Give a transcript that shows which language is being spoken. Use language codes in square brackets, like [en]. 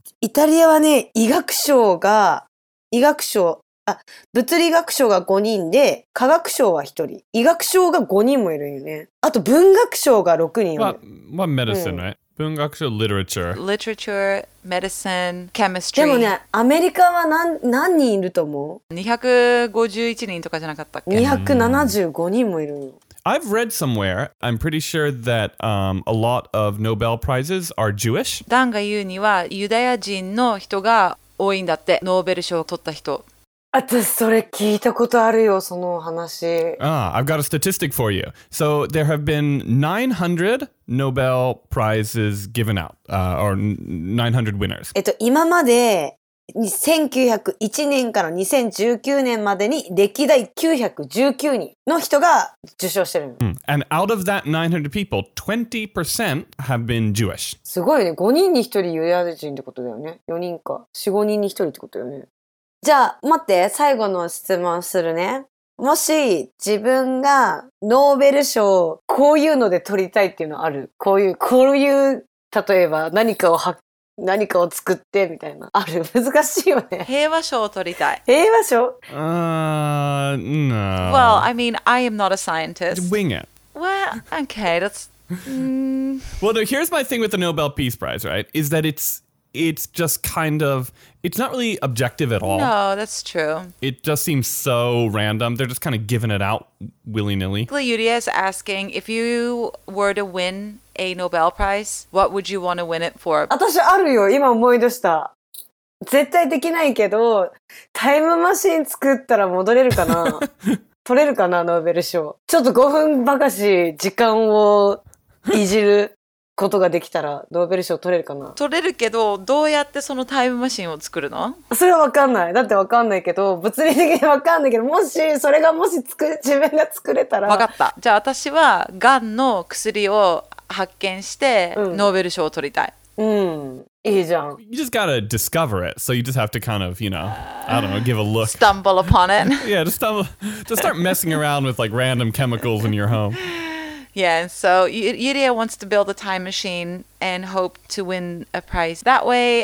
[ja] イタリアはね、医学賞が、医学賞、あ、物理学賞が5人で、科学賞は1人。医学賞が5人もいるよね。あと文学賞が6人いる。 [en] まあ、medicine, right? [ja] 文学書、 [en] literature。 literature、medicine、chemistry。 [ja] でもね、アメリカは 何人いると思う ?251 人とかじゃなかったっけ ?275 人もいるの。 [en] I've read somewhere, I'm pretty sure that、a lot of Nobel Prizes are Jewish. [ja] ダンが言うには、ユダヤ人の人が多いんだって、ノーベル賞を取った人。私それ聞いたことあるよ、その話。 [en] Ah, I've got a statistic for you. So there have been 900 Nobel Prizes given out, or 900 winners. [ja] 今まで1901年から2019年までに歴代919人の人が受賞してるの。 [en] And out of that 900 people, 20% have been Jewish. [ja] すごいね、5人に1人ユダヤ人ってことだよね。4人か、4、5人に1人ってことだよね。じゃあ、待って、最後の質問するね。もし、自分が、ノーベル賞、こういうので取りたいっていうのある？こういう、例えば、何かを作って、みたいな。ある？難しいよね。平和賞を取りたい。平和賞？ [en] No. Well, I mean, I am not a scientist. Wing it. Well, okay, that's... Well, here's my thing with the Nobel Peace Prize, right? Is that it's just kind of, it's not really objective at all. No, that's true. It just seems so random. They're just kind of giving it out willy-nilly. Yurie is asking, if you were to win a Nobel Prize, what would you want to win it for? [ja] 私あるよ、今思い出した。絶対できないけど、タイムマシン作ったら戻れるかな？取れるかな、ノーベル賞。ちょっと5分ばかし時間をいじる。ことができたらノーベル賞取れるかな。取れるけどどうやってそのタイムマシンを作るの？それはわかんない。だってわかんないけど物理的にわかんないけどもしそれがもし自分が作れたら。わかった。じゃあ私はがんの薬を発見して、ノーベル賞を取りたい。いいじゃん。 [en] You just gotta discover it, so you just have to kind of, you know, I don't know, give a look. Stumble upon it. Yeah, just start messing around with like random chemicals in your home. Yeah, so Yurie wants to build a time machine and hope to win a prize that way.